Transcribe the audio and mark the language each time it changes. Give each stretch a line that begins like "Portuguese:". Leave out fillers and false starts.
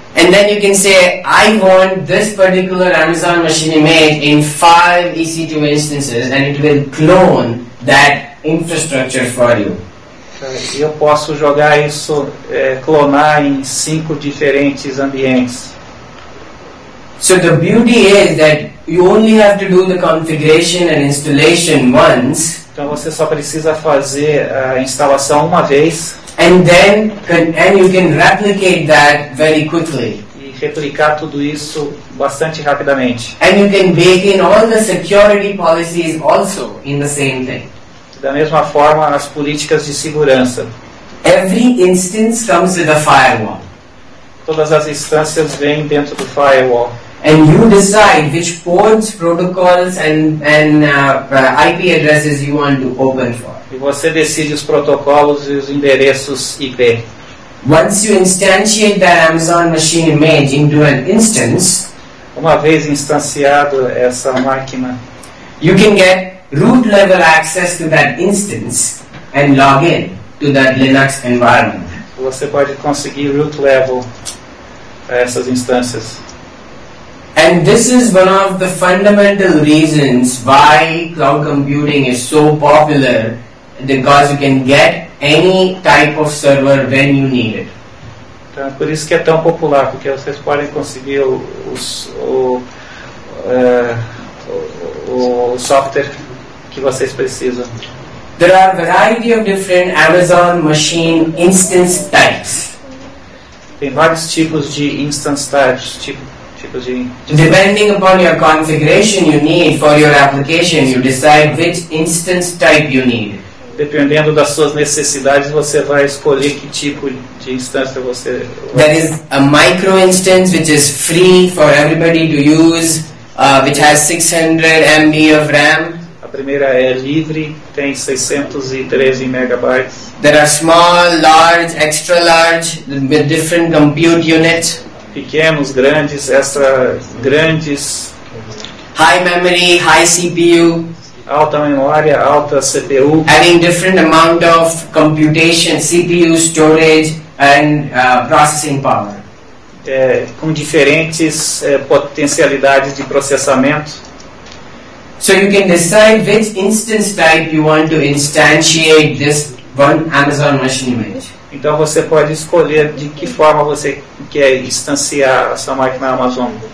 English: And then you can say, I want this particular Amazon machine image in 5 EC2 instances, and it will clone that infrastructure for you.
Portuguese: Eu posso jogar isso, clonar em 5 diferentes ambientes.
English: So the beauty is that you only have to do the configuration and installation once.
Portuguese: Então você só precisa fazer a instalação uma vez.
English: And then and you can replicate that very quickly.
Portuguese: E replicar tudo isso bastante rapidamente.
English: And you can bake in all the security policies also in the same thing.
Portuguese: Da mesma forma, as políticas de segurança.
English: Every instance comes with a firewall.
Portuguese: Todas as instâncias vêm dentro do firewall.
English: And you decide which ports, protocols and IP addresses you want to open for.
Portuguese: E você decide os protocolos e os endereços IP.
English: Once you instantiate that Amazon machine image into an instance,
Portuguese: uma vez instanciado essa máquina,
English: you can get root level access to that instance and log in to that Linux environment.
Portuguese: Você pode conseguir root level a essas instâncias.
English: And this is one of the fundamental reasons why cloud computing is so popular, because you can get any type of server when you need it.
Portuguese: Então, por isso que é tão popular, porque vocês podem conseguir o software que vocês precisam.
English: There are a variety of different Amazon machine instance types.
Portuguese: Tem vários tipos de instance types,
English: depending upon your configuration you need for your application, you decide which instance type you need.
Portuguese: Dependendo das suas necessidades, você vai escolher que tipo de instância você.
English: There is a micro instance which is free for everybody to use, which has 600 MB of RAM.
Portuguese: A primeira é livre, tem 613 MB.
English: There are small, large, extra large, with different compute units.
Portuguese: Pequenos, grandes, extra grandes.
English: High memory, high CPU.
Portuguese: Alta memória, alta CPU.
English: Having different amount of computation, CPU, storage and processing power.
Portuguese: Com diferentes potencialidades de processamento.
English: So you can decide which instance type you want to instantiate this one Amazon machine image.
Portuguese: Então você pode escolher de que forma você quer instanciar essa máquina Amazon.